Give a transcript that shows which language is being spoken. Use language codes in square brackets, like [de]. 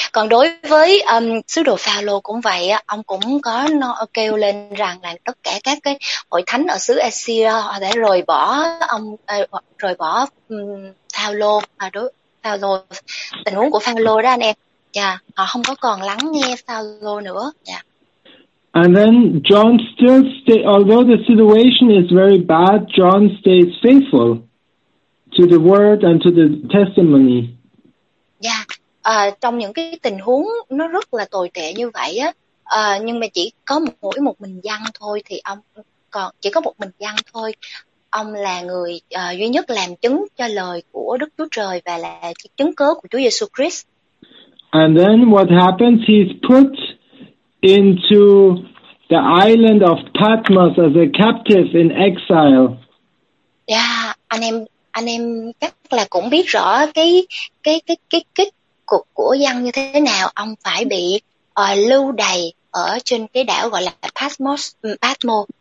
[vi] Còn đối với sứ đồ Phaolô cũng vậy, ông cũng có kêu lên rằng là tất cả các cái hội thánh ở xứ Asia họ đã rời bỏ ông, rời bỏ Phaolô, Phaolô, tình huống của Phaolô đó anh em. Yeah, họ không có còn lắng nghe Phaolô nữa. [en] Yeah. And then John still stays, although the situation is very bad, John stays faithful to the word and to the testimony. Yeah. [vi] Trong những cái tình huống nó rất là tồi tệ như vậy á, nhưng mà chỉ có mỗi một mình Giăng thôi, thì ông còn chỉ có một mình Giăng thôi, ông là người duy nhất làm chứng cho lời của Đức Chúa Trời và là chứng cớ của Chúa Giêsu Christ. [en] And then what happens, he's put into the island of Patmos as a captive in exile. [vi] Yeah, anh em chắc là cũng biết rõ cái cục của dân như thế nào, ông phải bị lưu đày ở trên cái đảo gọi là Patmo.